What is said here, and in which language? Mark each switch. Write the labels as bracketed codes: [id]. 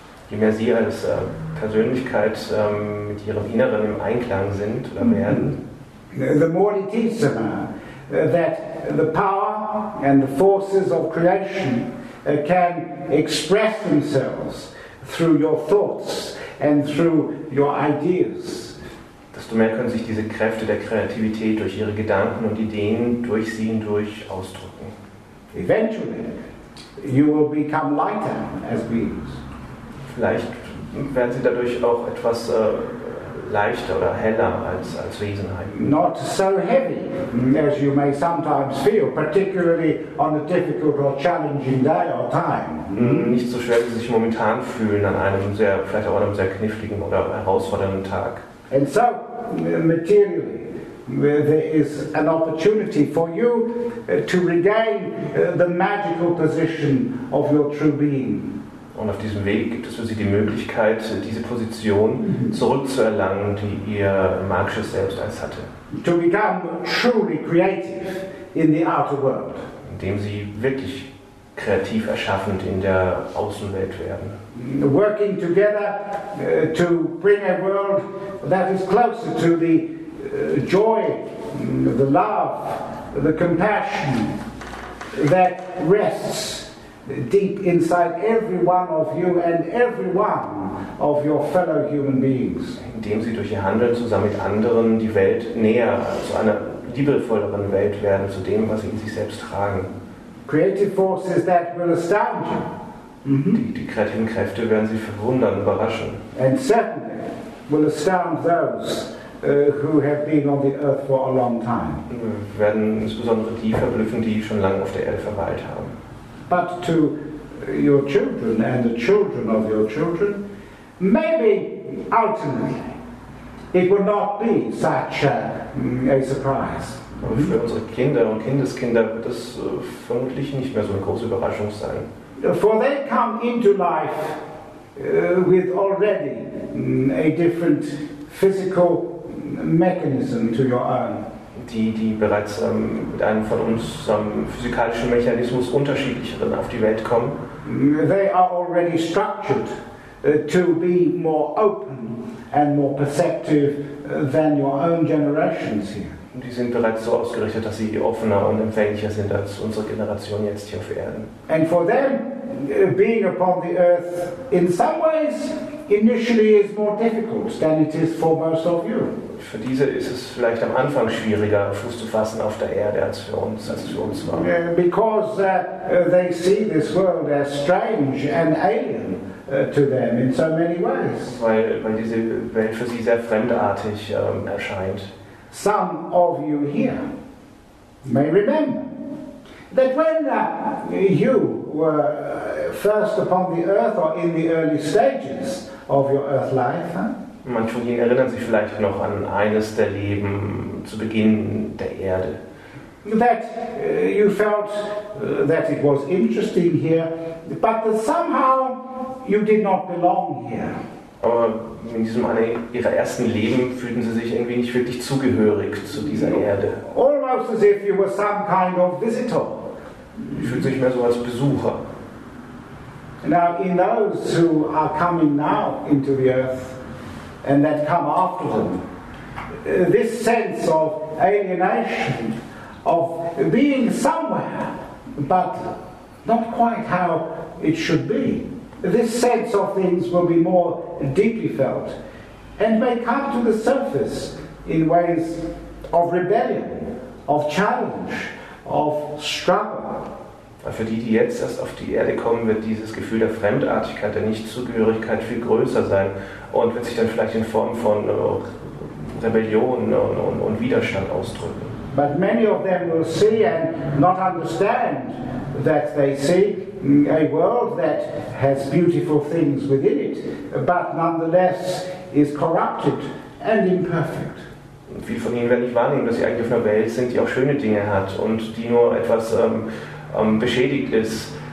[de] Je mehr Sie als Persönlichkeit mit Ihrem Inneren im Einklang sind oder werden, [en] the more it is that the power and the forces of creation can express themselves through your thoughts and through your ideas. [de] Desto mehr können sich diese Kräfte der Kreativität durch Ihre Gedanken und Ideen durch Sie hindurch ausdrücken. [en] Eventually, you will become lighter as beings. [de] Vielleicht werden Sie dadurch auch etwas leichter oder heller als Wesenheit. [en] Not so heavy as you may sometimes feel, particularly on a difficult or challenging day or time. [de] Nicht so schwer, wie Sie sich momentan fühlen an einem sehr, vielleicht auch an einem sehr kniffligen oder herausfordernden Tag. [en] And so, materially, there is an opportunity for you to regain the magical position of your true being. [de] Und auf diesem Weg gibt es für Sie die Möglichkeit, diese Position zurückzuerlangen, die Ihr magisches Selbst einst hatte. [en] To become truly creative in the outer world. [de] Indem Sie wirklich kreativ erschaffend in der Außenwelt werden. [en] Working together to bring a world that is closer to the joy, the love, the compassion that rests deep inside every one of you and every one of your fellow human beings. [de] Indem Sie durch Ihr Handeln zusammen mit anderen die Welt näher zu einer liebevolleren Welt werden, zu dem, was Sie in sich selbst tragen. [en] Creative forces that will astound you. [de] Die kreativen Kräfte werden Sie verwundern, überraschen. [en] And certainly will astound those who have been on the earth for a long time. [de] Werden insbesondere die verblüffen, die schon lange auf der Erde verweilt haben. [en] But to your children and the children of your children, maybe ultimately it will not be such a surprise. [de] Aber für unsere Kinder und Kindeskinder wird das vermutlich nicht mehr so eine große Überraschung sein. [en] For they come into life with already a different physical mechanism to your own. [de] Die bereits mit einem von uns physikalischen Mechanismus unterschiedlicheren auf die Welt kommen. [en] They are already structured to be more open and more perceptive than your own generations here. [de] Die sind bereits so ausgerichtet, dass sie offener und empfänglicher sind als unsere Generation jetzt hier auf Erden. [en] And for them, being upon the earth in some ways initially is more difficult than it is for most of you. [de] Für diese ist es vielleicht am Anfang schwieriger, Fuß zu fassen auf der Erde, als es für uns war. [en] Because they see this world as strange and alien to them in so many ways. [de] Weil diese Welt für sie sehr fremdartig erscheint. [en] Some of you here may remember that when you were first upon the earth or in the early stages of your earth life. [de] Manche von Ihnen erinnern sich vielleicht noch an eines der Leben zu Beginn der Erde. [en] That you felt that it was interesting here, but that somehow you did not belong here. [de] Aber in diesem ihrer ersten Leben fühlten sie sich irgendwie nicht wirklich zugehörig zu dieser Erde. [en] Almost as if you were some kind of visitor. [de] Ich fühlte mich mehr so als Besucher. [en] Now in those who are coming now into the earth and that come after them, this sense of alienation, of being somewhere, but not quite how it should be. This sense of things will be more deeply felt and may come to the surface in ways of rebellion, of challenge, of struggle. [de] Für die, die jetzt erst auf die Erde kommen, wird dieses Gefühl der Fremdartigkeit, der Nichtzugehörigkeit viel größer sein und wird sich dann vielleicht in Form von Rebellion und Widerstand ausdrücken. [en] But many of them will see and not understand that they see a world that has beautiful things within it, but nonetheless is corrupted and imperfect. [de] Viele von ihnen werden nicht wahrnehmen, dass sie eigentlich auf einer Welt sind, die auch schöne Dinge hat und die nur etwas beschädigt ist.